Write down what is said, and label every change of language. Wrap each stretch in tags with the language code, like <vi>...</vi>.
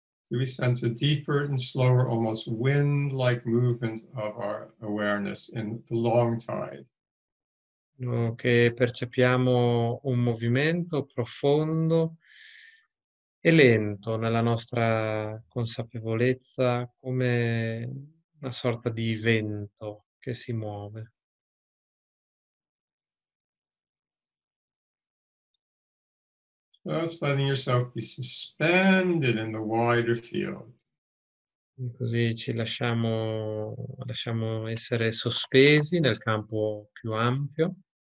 <en>Do we sense a deeper and slower, almost wind-like movement of our awareness in the long tide?</en> <it>Che percepiamo un movimento profondo e lento nella nostra consapevolezza come una sorta di vento che si muove.</it> <en>Just letting yourself be suspended in the wider field.</en> <it>E così ci lasciamo essere sospesi nel campo più ampio.</it>